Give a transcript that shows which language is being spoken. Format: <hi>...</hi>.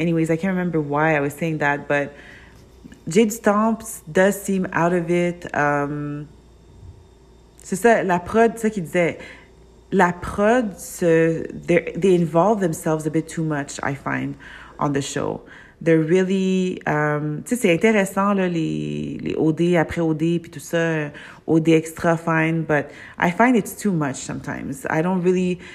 <en>Anyways, I can't remember why I was saying that. But Jay du Temple does seem out of it.</en> <fr>C'est ça, la prod, c'est ça qu'il disait.</fr> <en>La prod, they involve themselves a bit too much, I find, on the show. They're really...</en> <fr>tu sais, c'est intéressant, là, les OD, après OD, puis tout ça, OD extra fine,</fr> <en>but I find it's too much sometimes. I don't really...</en>